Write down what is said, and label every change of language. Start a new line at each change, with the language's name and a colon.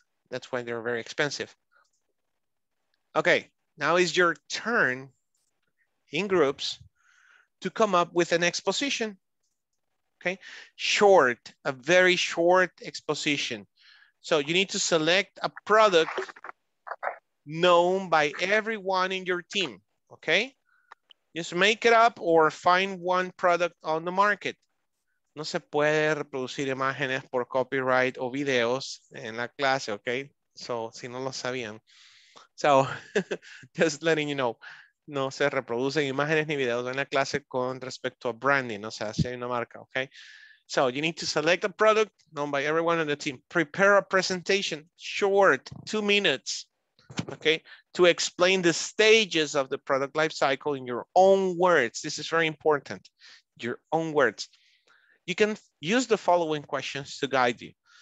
English: That's why they're very expensive. Okay, now is your turn in groups to come up with an exposition, okay? Short, a very short exposition. So you need to select a product known by everyone in your team, okay? Just make it up or find one product on the market.
Spanish: No se puede reproducir imágenes por copyright o videos en la clase, okay?
English: So
Spanish: si no lo sabían.
English: So just letting you know.
Spanish: No se reproducen imágenes ni videos en la clase con respecto a branding, o sea, si hay una marca, okay?
English: So you need to select a product known by everyone on the team. Prepare a presentation, short, 2 minutes, okay? To explain the stages of the product life cycle in your own words. This is very important, your own words. You can use the following questions to guide you.